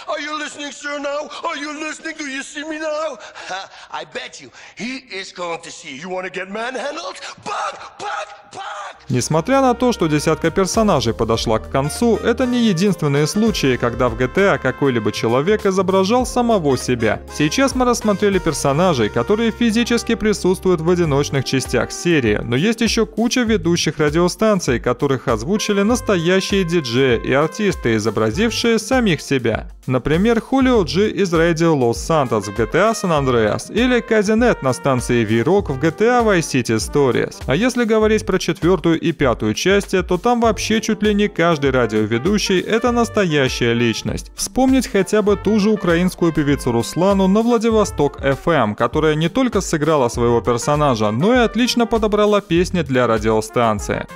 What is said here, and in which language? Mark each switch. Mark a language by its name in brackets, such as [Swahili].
[English] Are you listening, sir, now? Are you listening? Do you see me now? I bet you he is going to see. You want to get manhandled? Back, back, back! [Russian] Несмотря на то, что десятка персонажей подошла к концу, это не единственные случаи, когда в GTA какой-либо человек изображал самого себя. Сейчас мы рассмотрели персонажей, которые физически присутствуют в одиночных частях серии, но есть еще куча ведущих радиостанций, которых озвучили настоящие диджеи и артисты, изобразившие лучшее самих себя. Например, Хулио Джи из Radio Los Santos в GTA San Andreas или Казинет на станции V-Rock в GTA Vice City Stories. А если говорить про четвертую и пятую части, то там вообще чуть ли не каждый радиоведущий – это настоящая личность. Вспомнить хотя бы ту же украинскую певицу Руслану на Владивосток FM, которая не только сыграла своего персонажа, но и отлично подобрала песни для радиостанции.